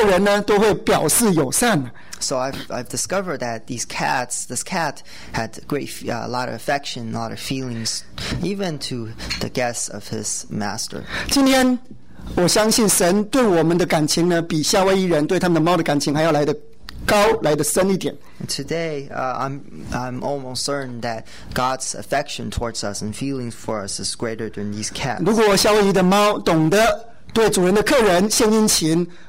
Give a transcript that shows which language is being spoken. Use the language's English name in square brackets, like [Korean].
[Chinese] 我就觉得这个猫对主人呢，真的很有感情哦，而且对主人的客人呢，都会表示友善。 [English] So I've discovered that this cat had a lot of affection, a lot of feelings, even to the guests of his master. [Chinese] 今天我相信神对我们的感情呢，比夏威夷人对他们的猫的感情还要来得高，来得深一点。 [English] Today, I'm almost certain that God's affection towards us and feelings for us is greater than these cats. [Chinese] 如果夏威夷的猫懂得对主人的客人献殷勤。